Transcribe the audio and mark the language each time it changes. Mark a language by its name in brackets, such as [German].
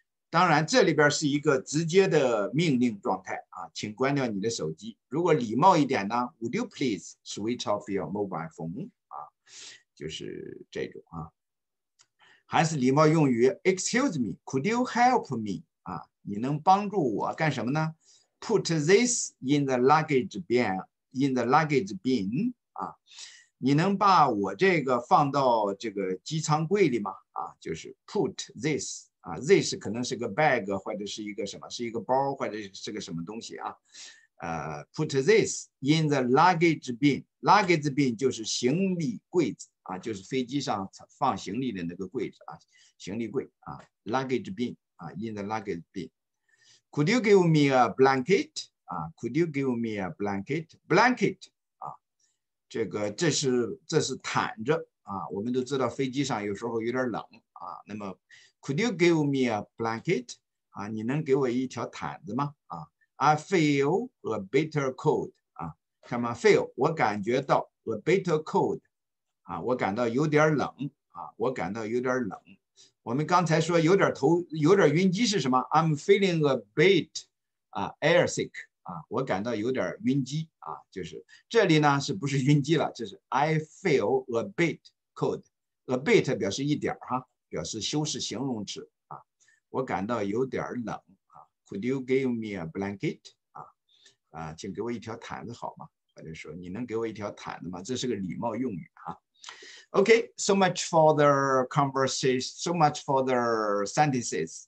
[Chinese] 当然这里边是一个直接的命令状态啊，请关掉你的手机。如果礼貌一点呢 ， [English] would you please switch off your mobile phone [Chinese] 啊，就是这种啊。还是礼貌用语 [English] ，Excuse me, could you help me？ [Chinese] 啊，你能帮助我干什么呢 [English] ？Put this in the luggage bin, in the luggage bin。 [Chinese] 啊，你能把我这个放到这个机舱柜里吗？啊，就是 [English] put this。 [Chinese] 啊 ，this 可能是个 bag 或者是一个什么，是一个包或者是个什么东西啊。 [English] Put this in the luggage bin。 Luggage bin [Chinese] 就是行李柜子。啊，就是飞机上放行李的那个柜子啊，行李柜啊 ，luggage bin 啊 ， [English] in the luggage bin。 Could you give me a blanket？啊 ，Could you give me a blanket？blanket 啊， [Chinese] 这是毯子啊。我们都知道飞机上有时候有点冷啊，那么 [English] Could you give me a blanket？ [Chinese] 啊，你能给我一条毯子吗？啊 ， [English] I feel a bitter cold。 [Chinese] 啊，看嘛 ，feel 我感觉到 [English] a bitter cold。 [Chinese] 啊，我感到有点冷啊，我感到有点冷。我们刚才说有点晕机是什么 ？ [English] I'm feeling a bit [Chinese] 啊 [English] air sick [Chinese] 啊，我感到有点晕机啊，就是这里呢是不是晕机了？就是 [English] I feel a bit cold， [Chinese] a bit 表示一点哈，表示修饰形容词啊。我感到有点冷啊 ， [English] Could you give me a blanket？ [Chinese] 啊，请给我一条毯子好吗？或者说你能给我一条毯子吗？这是个礼貌用语啊。 [English] Okay, so much for the conversation. So much for the sentences.